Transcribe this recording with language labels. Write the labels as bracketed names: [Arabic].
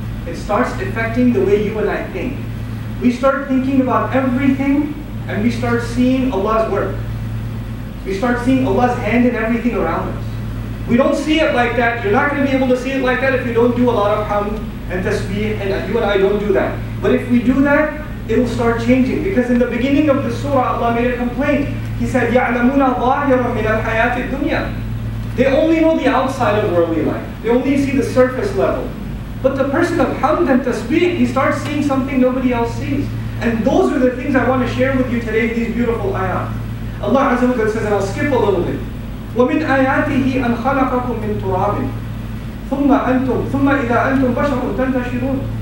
[English] It starts affecting the way you and I think. We start thinking about everything, and we start seeing Allah's work. We start seeing Allah's hand in everything around us. We don't see it like that. You're not going to be able to see it like that if you don't do a lot of hamd and tasbih, and you and I don't do that. But if we do that, it'll start changing. Because in the beginning of the surah, Allah made a complaint. He said, [Arabic] يَعْلَمُونَ ظَاهِرًا مِنَ الْحَيَاةِ الدُّنْيَا. [English] They only know the outside of worldly life. They only see the surface level. But the person of hamd and tasbih, he starts seeing something nobody else sees. And those are the things I want to share with you today in these beautiful ayat. Allah Azza wa Jalla says, and I'll skip a little bit. [Arabic] وَمِنْ آيَاتِهِ أَنْ خَلَقَكُمْ مِنْ تُرَابٍ ثُمَّ إِذَا أَنْتُمْ بَشَرٌ تَنْتَشِرُونَ.